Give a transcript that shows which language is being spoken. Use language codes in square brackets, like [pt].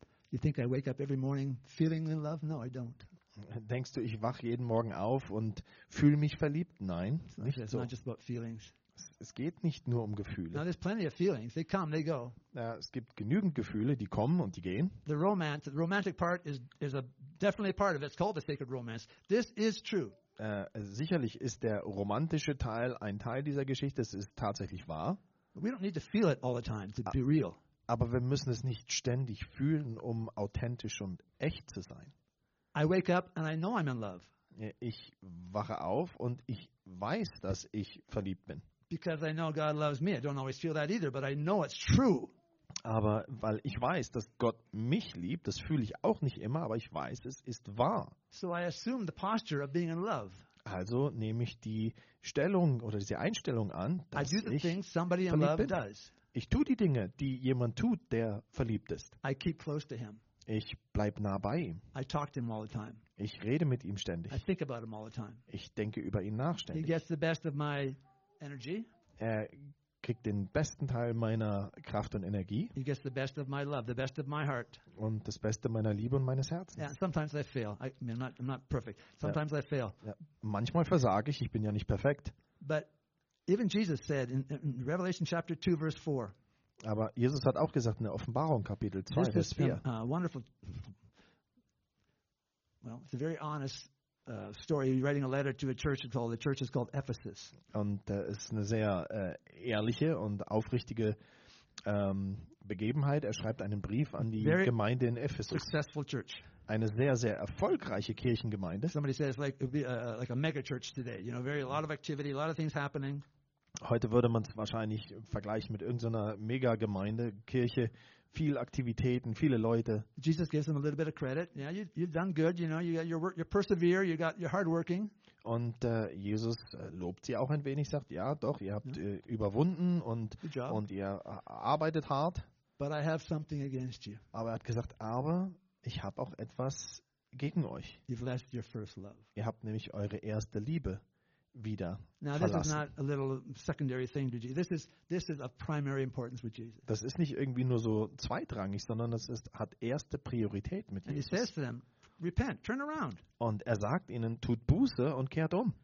[en] You think I wake up every morning feeling in love? No, I don't. [de] Denkst du, ich wach jeden Morgen auf und fühle mich verliebt? Nein, nicht so. [en] It's not just about feelings. [de] Es geht nicht nur um Gefühle. [en] Now there's plenty of feelings. They come, they go. [de] Ja, es gibt genügend Gefühle, die kommen und die gehen. [en] The romance, the romantic part is a definitely a part of it. It's called the sacred romance. This is true. [de] Sicherlich ist der romantische Teil ein Teil dieser Geschichte. Es ist tatsächlich wahr. [en] We don't need to feel it all the time to be real. [de] Aber wir müssen es nicht ständig fühlen, um authentisch und echt zu sein. [en] I wake up and I know I'm in love. [de] Ich wache auf und ich weiß, dass ich verliebt bin. [en] Because I know God loves me. I don't always feel that either, but I know it's true. [de] Aber weil ich weiß, dass Gott mich liebt, das fühle ich auch nicht immer, aber ich weiß, es ist wahr. [en] So I assume the posture of being in love. [de] Also nehme ich die Stellung oder diese Einstellung an, dass ich verliebt bin. [en] Somebody in love does. [de] Ich tue die Dinge, die jemand tut, der verliebt ist. [en] I keep close to him. [de] Ich bleibe nah bei ihm. [en] I talk to him all the time. [de] Ich rede mit ihm ständig. [en] I think about him all the time. [de] Ich denke über ihn nach ständig. [en] He gets the best of my energy. [de] Er kriegt den besten Teil meiner Kraft und Energie. [en] He gets the best of my love, the best of my heart. [de] Und das Beste meiner Liebe und meines Herzens. [en] Yeah, sometimes I fail. I'm not perfect. Sometimes [de] ja. [en] I fail. [de] Ja. Manchmal versage ich. Ich bin ja nicht perfekt. [en] But even Jesus said in Revelation chapter 2 verse 4. [de] Aber Jesus hat auch gesagt in der Offenbarung Kapitel 2 Vers 4. [en] A wonderful. Well, it's a very honest story. He's writing a letter to a church called the church is called Ephesus. [de] Und es ist eine sehr ehrliche und aufrichtige Begebenheit. Er schreibt einen Brief an die [en] very [de] Gemeinde in Ephesus. [en] Successful church. [de] Eine sehr, sehr erfolgreiche Kirchengemeinde. [en] Somebody says like it'd be like a mega church today. You know, very a lot of activity, a lot of things happening. [de] Heute würde man es wahrscheinlich vergleichen mit irgendeiner Mega-Gemeinde, Kirche, viel Aktivitäten, viele Leute. [en] Jesus gives them a little bit of credit. Yeah, you've done good. You know, you got your persevere. You got your hardworking. [de] Und Jesus lobt sie auch ein wenig, sagt ja, doch, ihr habt überwunden und ihr arbeitet hart. [en] But I have something against you. [de] Aber er hat gesagt, aber ich habe auch etwas gegen euch. [en] You've left your first love. [de] Ihr habt nämlich eure erste Liebe wieder [en] now, [de] verlassen. [en] This is not a little secondary thing to Jesus. This is of primary importance with Jesus. [de] Das ist nicht irgendwie nur so zweitrangig, sondern das ist hat erste Priorität mit [en] and [de] Jesus. [en] He says to them, repent, turn around. [de] Und er sagt ihnen, tut Buße und kehrt um.